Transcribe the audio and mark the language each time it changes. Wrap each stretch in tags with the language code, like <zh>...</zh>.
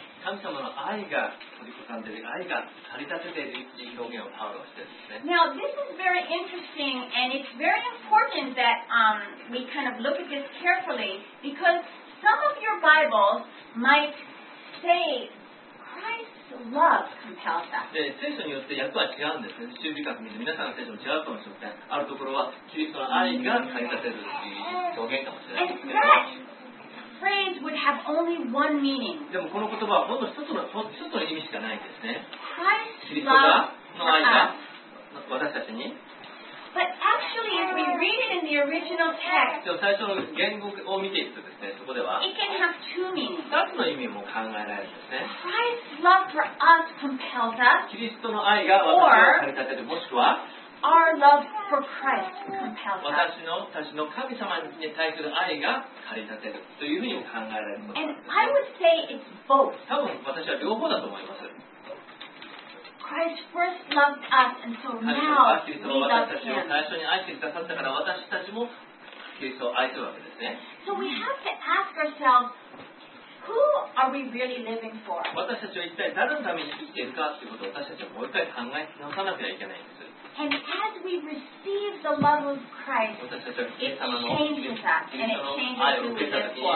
<ja>神様の愛が取り囲んでいる、愛が駆り立てているという表現をパウロはしているんですね。</ja> <en>Now, this is very interesting, and it's very important that, we kind of look at this carefully, because some of your Bibles might say, Christ's love compels us.</en> <ja>で、聖書によって訳は違うんですね。修理学に皆さんの聖書も違うかもしれません。あるところは、キリストの愛が駆り立てるという表現かもしれないですね。</ja> <en>Phrase would have only one meaning.</en> <ja>でもこの言葉はほんの一つの意味しかないですね。</ja> <en>Christ</en> <ja>キリストがの愛が私たちに。</ja> <en>But actually, if we read it in the original text,</en> <ja>最初の言語を見ていくとですね、そこでは、</ja> <en>it can have two meanings.</en> <ja>二つの意味も考えられるんですね。</ja> <en>Christ's love for us compels us.</en> <ja>キリストの愛が私を駆り立てる、もしくは、</ja> <en>our love for Christ compels us.</en> <ja>私の神様に対する愛が駆り立てるというふうにも考えられます。</ja> <en>And I would say it's both.</en> <ja>多分私は両方だと思います。</ja> <en>Christ first loved us, and so now we love him.</en> <ja>最初に愛してくださったから私たちもキリストを愛するわけですね。</ja> <en>So we have to ask ourselves, who are we really living for?</en> <ja>私たちは一体誰のために生きているかということを私たちはもう一回考え直さなきゃいけないんです。</ja> <en>And as we receive the love of Christ, it changes us, and it changes who we live for.</en>